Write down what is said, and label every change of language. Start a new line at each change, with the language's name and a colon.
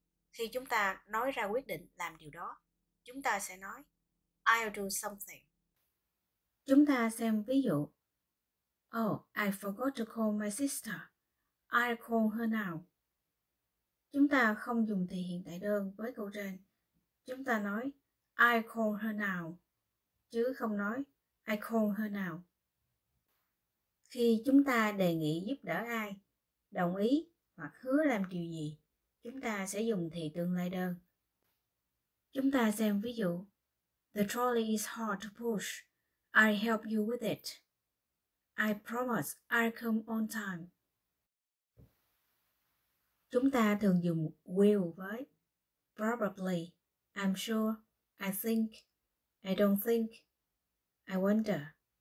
Vietnamese: Khi chúng ta nói ra quyết định làm điều đó, chúng ta sẽ nói
English: I'll do something.
Vietnamese: Chúng ta xem ví dụ.
English: Oh, I forgot to call my sister. I'll call her now.
Vietnamese: Chúng ta không dùng thể hiện tại đơn với câu trên. Chúng ta nói
English: I'll call her now,
Vietnamese: chứ không nói I'll call her now. Khi chúng ta đề nghị giúp đỡ ai, đồng ý hoặc hứa làm điều gì, chúng ta sẽ dùng thị tương lai đơn. Chúng ta xem ví dụ.
English: The trolley is hard to push. I'll help you with it. I promise I'll come on time.
Vietnamese: Chúng ta thường dùng will với
English: probably, I'm sure, I think, I don't think, I wonder.